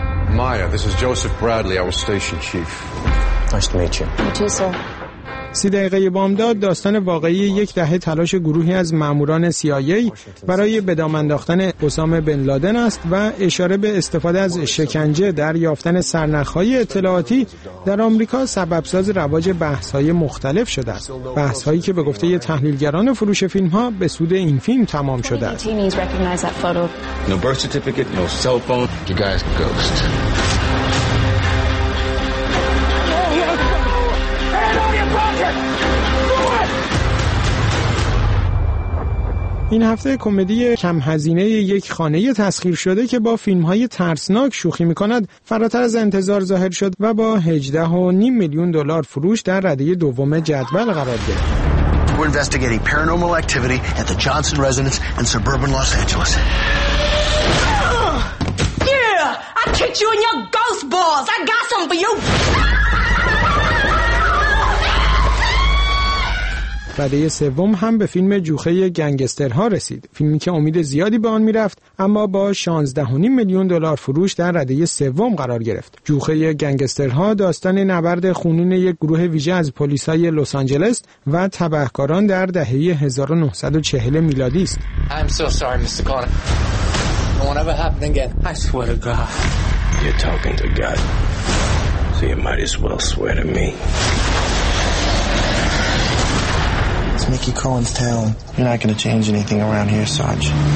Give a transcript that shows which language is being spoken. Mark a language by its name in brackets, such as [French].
[English] Maya, this is Joseph Bradley, our station chief. Nice to meet you. You too, sir. [Persian] 30 دقیقه بامداد داستان واقعی یک دهه تلاش گروهی از ماموران CIA برای به دام انداختن اسامه بن لادن است و اشاره به استفاده از شکنجه در یافتن سرنخ‌های اطلاعاتی در آمریکا سبب ساز رواج بحث‌های مختلف شده است. بحث‌هایی که به گفته یه تحلیلگران فروش فیلم‌ها به سود این فیلم تمام شده است. [English] No birth certificate, no cell phone. You guys are ghosts. [Persian] این هفته کمدی کم هزینه یک خانه تسخیر شده که با فیلم‌های ترسناک شوخی می‌کند فراتر از انتظار ظاهر شد و با 18.5 میلیون دلار فروش در رده دوم جدول قرار گرفت. [English] We're investigating paranormal activity at the Johnson residence in suburban Los Angeles. Yeah, I kicked you in your ghost balls. I got some for you. [Persian] رده سوم هم به فیلم جوخه گنگسترها رسید، فیلمی که امید زیادی به آن می رفت اما با 16.5 میلیون دلار فروش در رده سوم قرار گرفت. جوخه گنگسترها داستان نبرد خونین یک گروه ویژه از پلیسای لس آنجلس و تبهکاران در دهه 1940 میلادی است. [English] I'm so sorry, Mr. Connor. It won't ever happen again. I swear to God. You're talking to God. So you might as well swear to me. Mickey Cohen's town. You're not going to change anything around here, Sarge.